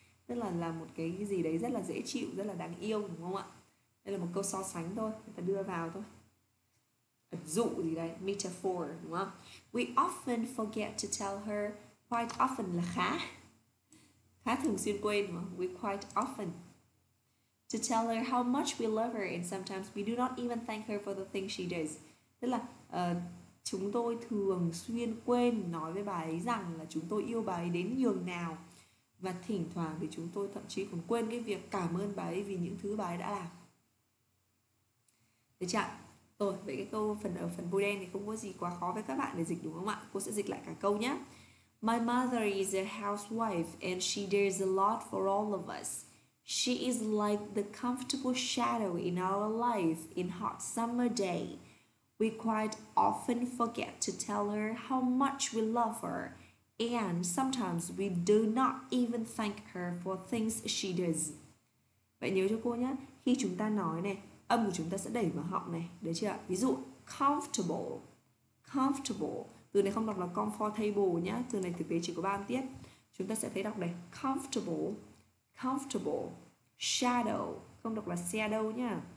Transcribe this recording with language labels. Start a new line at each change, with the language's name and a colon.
Vietnamese: Tức là một cái gì đấy rất là dễ chịu, rất là đáng yêu, đúng không ạ? Đây là một câu so sánh thôi, người ta đưa vào thôi. Ẩn dụ gì đấy, metaphor, đúng không?
English: We often forget to tell her. Quite often
Vietnamese: là khá thường xuyên quên, đúng không?
English: We quite often to tell her how much we love her and sometimes we do not even thank her for the things she does.
Vietnamese: Tức là chúng tôi thường xuyên quên nói với bà ấy rằng là chúng tôi yêu bà ấy đến nhường nào. Và thỉnh thoảng thì chúng tôi thậm chí còn quên cái việc cảm ơn bà ấy vì những thứ bà ấy đã làm. Được chưa? Rồi, vậy cái câu phần bôi đen thì không có gì quá khó với các bạn để dịch đúng không ạ? Cô sẽ dịch lại cả câu nhé.
English: My mother is a housewife and she does a lot for all of us. She is like the comfortable shadow in our life in hot summer day. We quite often forget to tell her how much we love her. And sometimes we do not even thank her for things she does.
Vietnamese: Vậy nhớ cho cô nhé, khi chúng ta nói này, âm của chúng ta sẽ đẩy vào họng này, được chưa ạ? Ví dụ, comfortable, comfortable. Từ này không đọc là comfortable nhé, từ này thực tế chỉ có 3 âm tiết. Chúng ta sẽ thấy đọc này, comfortable, comfortable, shadow, không đọc là shadow nhé.